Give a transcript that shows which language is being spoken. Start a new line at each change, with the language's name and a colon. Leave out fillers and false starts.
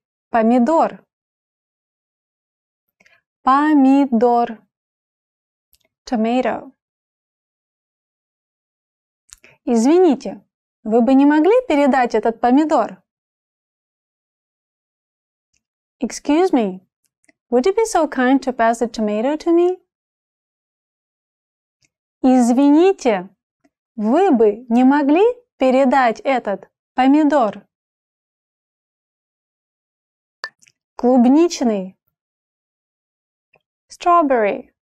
Russian: Помидор. Помидор.
English: Tomato.
Russian: Извините. Вы бы не могли передать этот помидор?
English: Excuse me, Would you be so kind to pass the tomato to me?
Russian: Извините, вы бы не могли передать этот помидор? Клубничный.
English: Strawberry.